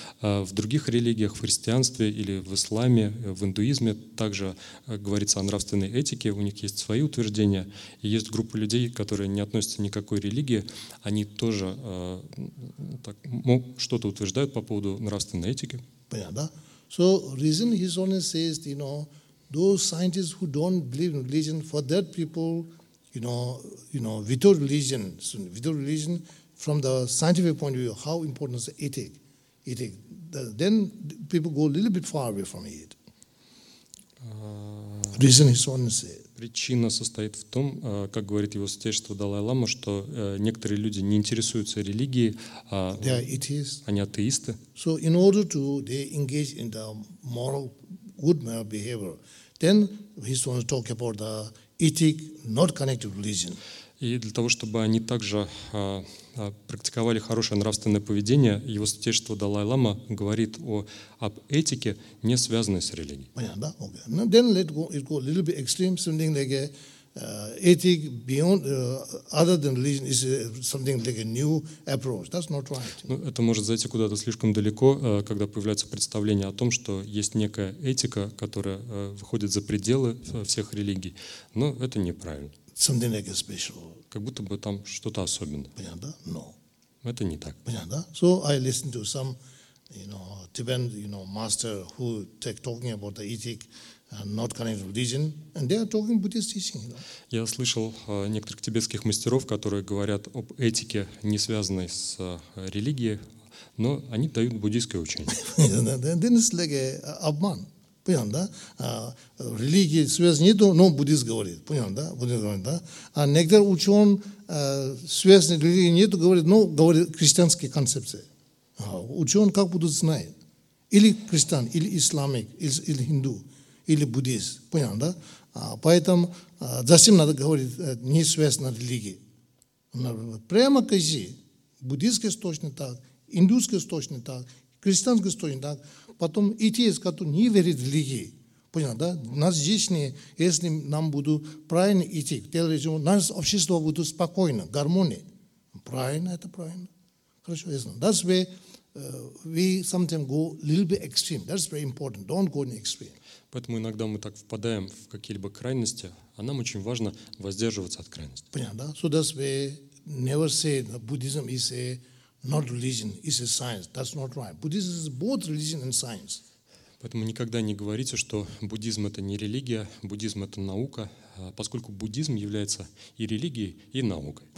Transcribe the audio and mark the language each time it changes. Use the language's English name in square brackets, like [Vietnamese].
[Russian] В других религиях, в христианстве или в исламе, в индуизме также говорится о нравственной этике, у них есть свои утверждения. И есть группа людей, которые не относятся ни к какой религии, они тоже так, что-то утверждают по поводу нравственной этики. Понятно, да? [English] So reason he only says, you know, those scientists who don't believe in religion, for that people, you know, without religion, from the scientific point of view, how important is ethic? Then people go a little bit far away from it. Reason he only says. [Russian] Причина состоит в том, как говорит его святейшество Далай-Лама, что некоторые люди не интересуются религией, а [English] they are atheists. [Russian] Они атеисты. [English] So in order to they engage in the moral, good moral behavior, then he wants to talk about the ethic not connected to religion. [Russian] И для того, чтобы они также практиковали хорошее нравственное поведение, его святейшество Далай-Лама говорит об этике, не связанной с религией. Понятно, да? [English] Okay. Now, then let go, it go a little bit extreme, something like ethic beyond, other than religion is something like a new approach. That's not right. [Russian] Ну, это может зайти куда-то слишком далеко, когда появляется представление о том, что есть некая этика, которая выходит за пределы всех религий. Но это неправильно. [English] Something like a special. [Russian] Как будто бы там что-то особенное. Понятно, да? No. Это не так. Понятно, да? [English] So I listened to some, you know, Tibetan, you know, master who take talking about the ethic and not connected to religion, and they are talking Buddhist teaching. You know? [Russian] Я слышал некоторых тибетских мастеров, которые говорят об этике, не связанной с религией, но они дают буддийское учение. [English] Then it's like a [Russian] обман. Понятно, да? Религии связи нету, но буддист говорит. Понятно, да? Буддист говорит, да? А некоторые ученые связи с религией нету, говорит, но говорит христианские концепции. Ученые как будут знать? Или христиан, или исламик, или хинду, или буддист. Понятно, да? Поэтому зачем надо говорить не связь на религии? Прямо кази. Буддистская точно так, индусская точно так, христианская точно так. Потом атеист, который не верит в религии, понятно, да? Нас здешние, если нам будут правильно идти, телевизор, нас общество будет спокойно, гармония. Правильно, это правильно. Хорошо, ясно. [English] That's where we sometimes go a little bit extreme. That's very important. Don't go in extreme. [Russian] Поэтому иногда мы так впадаем в какие-либо крайности, а нам очень важно воздерживаться от крайности. Понятно, да? [English] So that's where never say that Buddhism is a not religion, it's a science. That's not right. Buddhism is both religion and science. [Russian] Поэтому никогда не говорите, что буддизм это не религия, буддизм это наука, поскольку буддизм является и религией, и наукой.